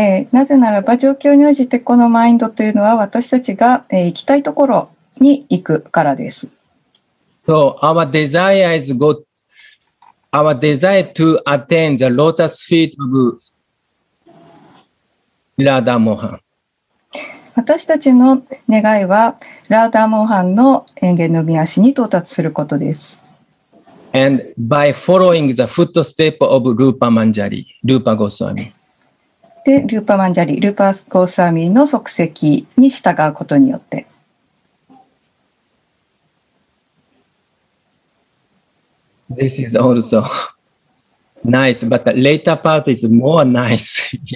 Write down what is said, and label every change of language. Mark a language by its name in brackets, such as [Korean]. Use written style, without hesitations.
[Japanese] なぜならば状況に応じてこのマインドというのは私たちが、行きたいところに行くからです。 [English] So our desire is go, our desire to attain the lotus feet of Radha Mohan. [Japanese] 私たちの願いはラーダーモハンの円弦の御足に到達することです。 [English] And by following the footstep of Rupa Manjari, Rupa Goswami. [Japanese] で、ルーパマンジャリ、ルーパゴスワミの足跡に従うことによって。 [English] This is also nice, but the later part is more nice.